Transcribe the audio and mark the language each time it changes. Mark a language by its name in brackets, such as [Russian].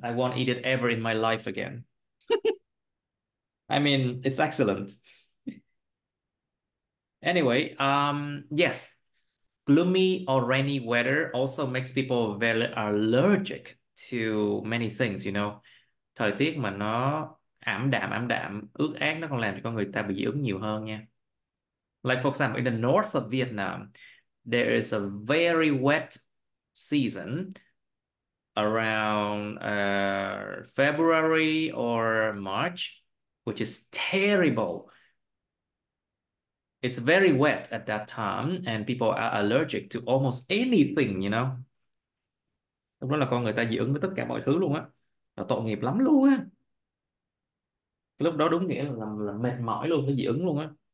[English] I won't eat it ever in my life again. I mean, it's excellent. Anyway, yes. Gloomy or rainy weather also makes people very allergic to many things, you know. [Vietnamese] Thời tiết mà nó ảm đạm, ướt át nó còn làm cho con người ta bị dị ứng nhiều hơn nha. [English] Like for example, in the north of Vietnam, there is a very wet season around February or March, which is terrible. It's very wet at that time, and people are allergic to almost anything, you know. [Vietnamese] Lúc đó là con người ta dị ứng với tất cả mọi thứ luôn á. Là tội nghiệp lắm luôn á. Lúc đó đúng nghĩa là mệt mỏi luôn, nó dị ứng luôn á.